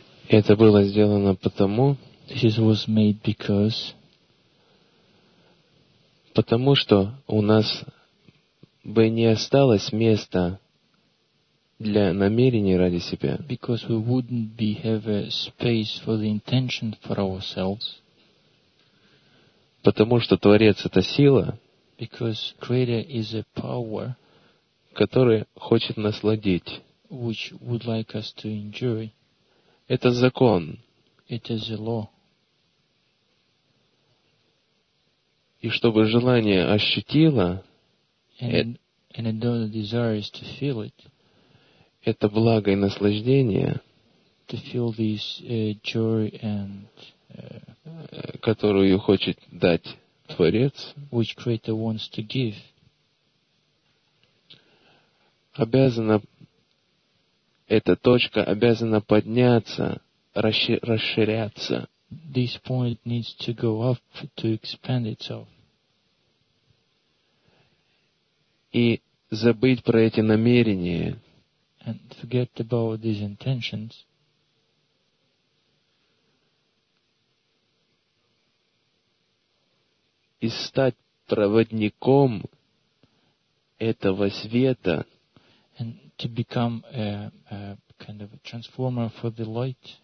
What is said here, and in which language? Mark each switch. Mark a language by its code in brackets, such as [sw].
[ru] Это было сделано потому, [en] this was made because, [ru] потому что у нас бы не осталось места для намерений ради себя. [en] Because we wouldn't be have a space for the intention for ourselves. [ru] Потому что Творец — это сила, [en] because Creator is a power, [ru] который хочет насладить, [en] which would like us to enjoy. [ru] Это закон. [en] It is a law. [ru] И чтобы желание ощутило, [en] and the desire is to feel it, [ru] это благо и наслаждение, [en] to feel this joy and [ru] которую хочет дать Творец, [en] which Creator wants to give, [ru] обязана. Эта точка обязана подняться, расширяться. [en] This point needs to go up to expand itself. [ru] И забыть про эти намерения. [en] And forget about these intentions. [ru] И стать проводником этого света. [en] And to become a kind of a transformer for the light.